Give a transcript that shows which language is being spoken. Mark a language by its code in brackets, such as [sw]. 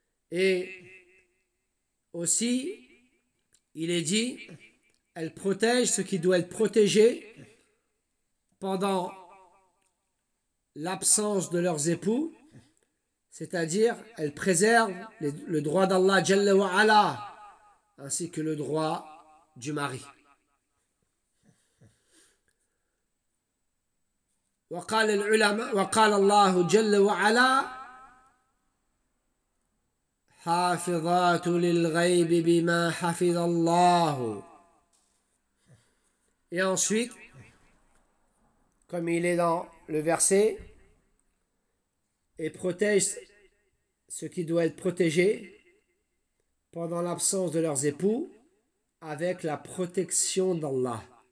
[fr] Et aussi, il est dit, elles protègent ce qui doit être protégé pendant l'absence de leurs époux, c'est-à-dire elles préservent le droit d'Allah Jalla wa Ala, ainsi que le droit du mari. [ar] وقال العلماء وقال الله جل وعلا حافظات للغيب بما حفظ الله. [fr] Et ensuite, comme il est dans le verset, et protège ce qui doit être protégé pendant l'absence de leurs époux avec la protection d'Allah.